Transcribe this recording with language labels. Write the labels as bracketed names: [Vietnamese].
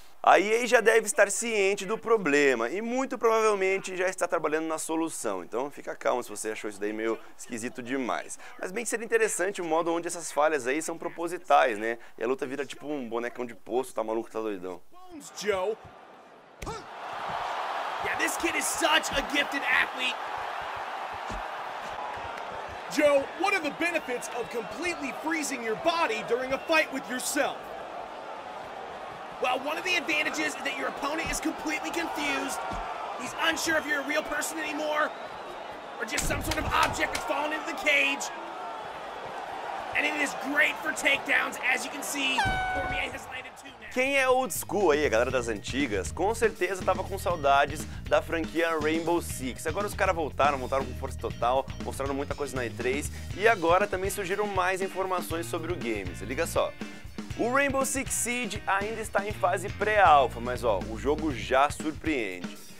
[Portuguese] A EA já deve estar ciente do problema e muito provavelmente já está trabalhando na solução, então fica calmo se você achou isso daí meio esquisito demais. Mas bem que seria interessante o modo onde essas falhas aí são propositais, né? E a luta vira tipo um bonecão de poço, tá maluco, tá doidão. [English] Yeah, this kid is such a gifted athlete. Joe, what are the benefits of completely freezing your body during a fight with yourself? Well, one of the advantages is that your opponent is completely confused. He's unsure if you're a real person anymore or just some sort of object that's fallen into the cage. And it is great for takedowns, as you can see, Cormier has landed two. [Portuguese] Quem é old school aí, a galera das antigas, com certeza tava com saudades da franquia Rainbow Six. Agora os caras voltaram com força total, mostraram muita coisa na E3 e agora também surgiram mais informações sobre o game. Se liga só. O Rainbow Six Siege ainda está em fase pré-alpha, mas ó, o jogo já surpreende.